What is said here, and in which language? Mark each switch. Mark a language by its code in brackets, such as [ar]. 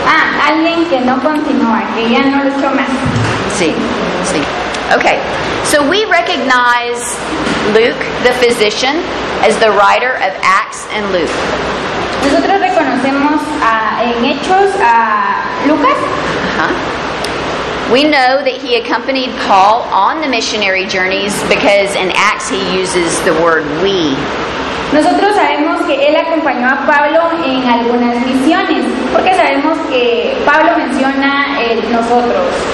[es] Ah, alguien que no continúa, que ya no luchó más. Sí, sí. [en] Okay, so we recognize Luke, the physician, as the writer of Acts and Luke. [es] Nosotros reconocemos en Hechos a Lucas. [en] We know that he accompanied Paul on the missionary journeys because in Acts he uses the word we. [es] Nosotros sabemos que él acompañó a Pablo en algunas misiones porque sabemos que Pablo menciona el nosotros.